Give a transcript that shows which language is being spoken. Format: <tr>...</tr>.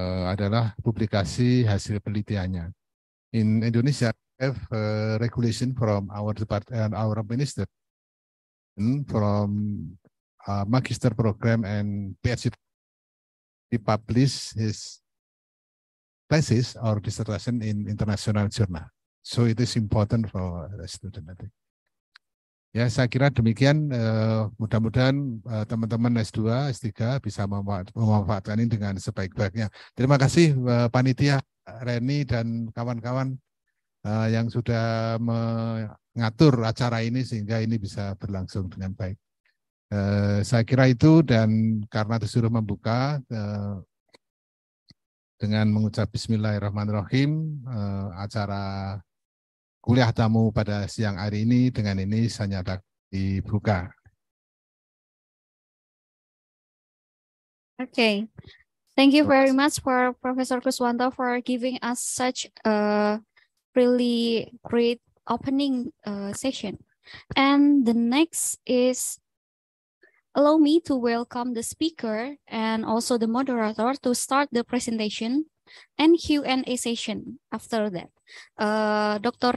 <id>Adalah publikasi hasil penelitiannya.</id> <en>In Indonesia, have regulation from our department, our minister, from magister program and PhD, he published his thesis or dissertation in international journal. So it is important for student, I think.</en> <id>Ya, saya kira demikian. Mudah-mudahan teman-teman S2, S3 bisa memanfaatkan ini dengan sebaik-baiknya. Terima kasih Panitia Reni dan kawan-kawan yang sudah mengatur acara ini sehingga ini bisa berlangsung dengan baik. Saya kira itu dan karena disuruh membuka dengan mengucap bismillahirrahmanirrahim acara kuliah tamu pada siang hari ini dengan ini saya nyatakan dibuka.</id> <en>Okay, thank you very much for Professor Kuswanto for giving us such a really great opening session. And the next is allow me to welcome the speaker and also the moderator to start the presentation and Q&A session after that. Dr.</en>